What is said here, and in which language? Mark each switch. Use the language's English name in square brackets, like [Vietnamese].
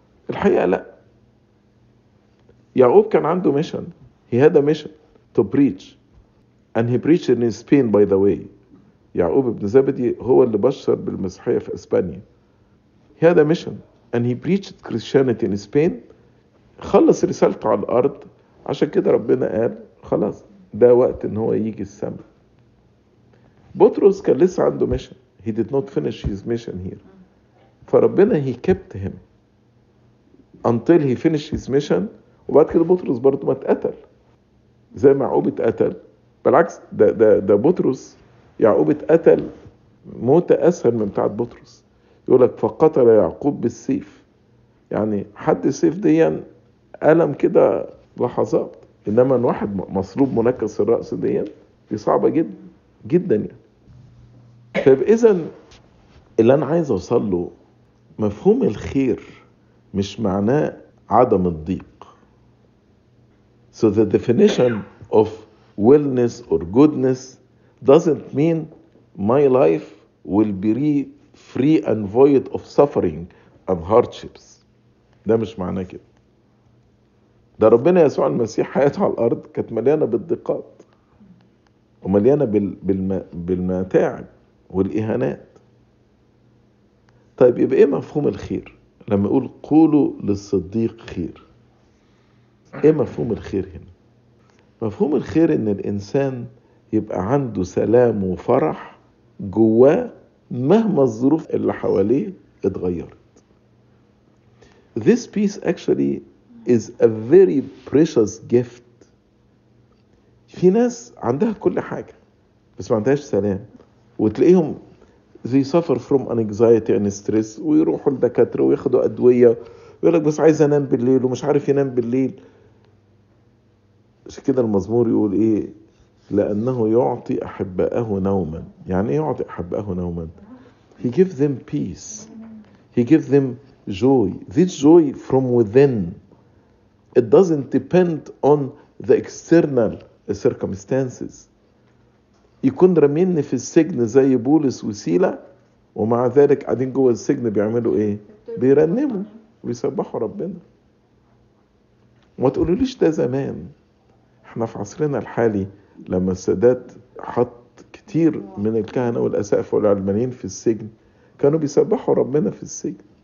[Arabic] الحقيقة لا، يعقوب كان عنده ميشن، [English] he had a mission to preach and he preached in Spain by the way. [Arabic] يعقوب ابن زبدي هو اللي بشر بالمسيحية في اسبانيا. [English] He had a mission and he preached Christianity in Spain. [Arabic] خلص رسالته على الارض، عشان كده ربنا قال خلاص ده وقت ان هو يجي السماء. بطرس كان لسه عنده mission. [English] He did not finish his mission here. [Arabic] فربنا [English] he kept him until he finished his mission. [Arabic] وبعد كده بطرس برضو ما تقتل زي ما يعقوب اتقتل. بالعكس ده بطرس، يعقوب اتقتل موت اسهل من بتاعت بطرس. يقولك فقتل يعقوب بالسيف، يعني حد السيف دي ألم كده لحظات، انما ان واحد مصلوب منكس الرأس دي دي صعبة جدا جدا يعني. فاذا اللي انا عايز اوصل له، مفهوم الخير مش معناه عدم الضيق. [English] So the definition of wellness or goodness doesn't mean my life will be free and void of suffering and hardships. [Arabic] ده مش معناه كده. ده ربنا يسوع المسيح حياته على الأرض كانت مليانة بالضيقات ومليانة بالمتاعب والإهانات. طيب يبقى إيه مفهوم الخير؟ لما يقول قولوا للصديق خير، ايه مفهوم الخير هنا؟ مفهوم الخير ان الانسان يبقى عنده سلام وفرح جواه مهما الظروف اللي حواليه اتغيرت. [English] This peace actually is a very precious gift. [Arabic] في ناس عندها كل حاجة بس ما عندهاش سلام، وتلاقيهم [English] they suffer from anxiety and stress [Arabic] ويروحوا لدكاترة وياخدوا أدوية ويقولك بس عايز انام بالليل ومش عارف ينام بالليل. عشان كده المزمور يقول ايه؟ لانه يعطي احباءه نوما. يعني ايه يعطي احباءه نوما؟ [English] He gives them peace. He gives them joy. This joy from within. It doesn't depend on the external circumstances. [Arabic] يكون رميني في السجن زي بولس وسيلة ومع ذلك قاعدين جوه السجن بيعملوا ايه؟ بيرنموا ويسبحوا ربنا. ما تقولوا ليش ده زمان؟ احنا في عصرنا الحالي لما السادات حط كتير من الكهنة والأسقف والعلمانيين في السجن كانوا بيسبحوا ربنا في السجن.